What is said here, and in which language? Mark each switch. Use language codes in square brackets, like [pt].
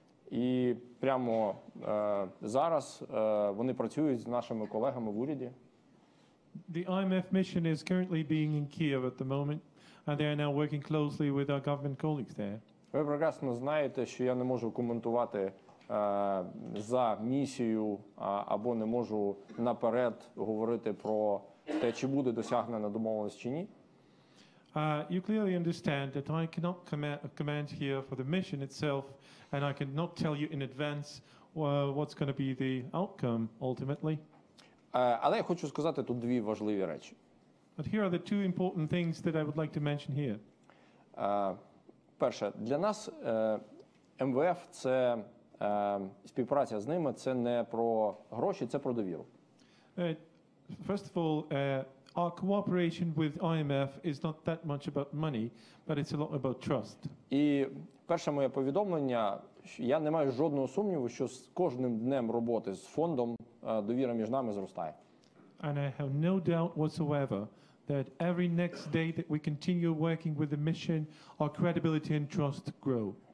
[uk] І прямо зараз вони працюють з нашими колегами в уряді. [en] The IMF mission is currently being in Kyiv at the moment, and they are now working closely with our government colleagues there. [uk] Ви прекрасно знаєте, що я не можу коментувати за місію або не можу наперед говорити про те, чи буде досягнена домовленість чи ні. [en] You clearly understand that I cannot comment here for the mission itself, and I cannot tell you in advance what's going to be the outcome ultimately. [uk] Але я хочу сказати тут дві важливі речі. [en] But here are the two important things that I would like to mention here. [uk] Перше, для нас МВФ – це співпраця з ними, це не про гроші, це про довіру. [en] First of all, our cooperation with IMF is not that much about money, but it's a lot about trust. [uk] І перше моє повідомлення, я не маю жодного сумніву, що з кожним днем роботи з фондом довіра між нами зростає. [en] And I have no doubt whatsoever that every next day that we continue working with the mission, our credibility and trust grow.